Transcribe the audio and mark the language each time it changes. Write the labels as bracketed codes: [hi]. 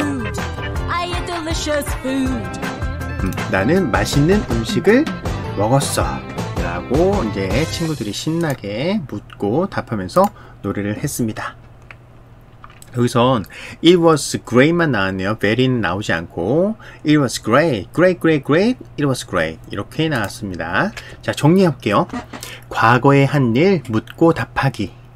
[en] Food. I ate delicious food. [ko] 나는 맛있는 음식을 먹었어 라고 이제 친구들이 신나게 묻고 답하면서 노래를 했습니다. 여기선 [en] It was great [ko] 만 나왔네요. Very는 나오지 않고 [en] It was great, great, great, great, It was great [ko] 이렇게 나왔습니다. 자, 정리할게요. 과거의 한 일 묻고 답하기.